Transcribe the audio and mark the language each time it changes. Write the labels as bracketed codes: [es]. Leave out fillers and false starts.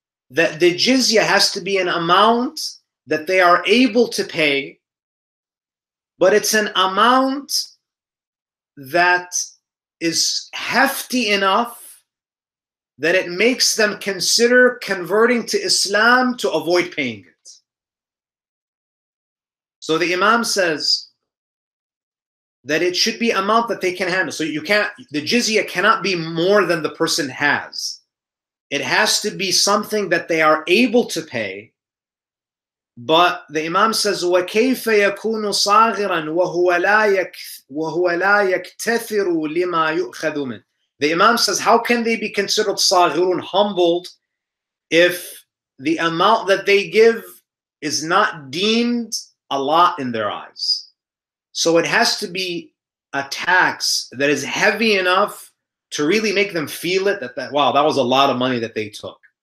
[en] That the jizya has to be an amount that they are able to pay, but it's an amount that is hefty enough that it makes them consider converting to Islam to avoid paying it. So the Imam says that it should be an amount that they can handle. So you can't, the jizya cannot be more than the person has. It has to be something that they are able to pay. But the Imam says, [ar] وَكَيْفَ يَكُونُ صَاغِرًا وَهُوَ لَا يَكْتَثِرُ لِمَا يُؤْخَذُ مِنْ. [en] The Imam says, how can they be considered صاغرون, humbled, if the amount that they give is not deemed a lot in their eyes? So it has to be a tax that is heavy enough to really make them feel it, that that was a lot of money that they took.